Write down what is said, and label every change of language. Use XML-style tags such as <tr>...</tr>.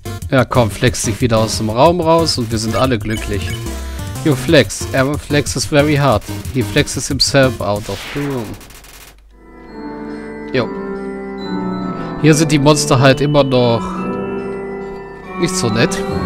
<de>Ja, komm, flex dich wieder aus dem Raum raus und wir sind alle glücklich.</de> <en>You flex, Emma flexes very hard, he flexes himself out of the room. Jo.</en> <de>Hier sind die Monster halt immer noch nicht so nett.</de>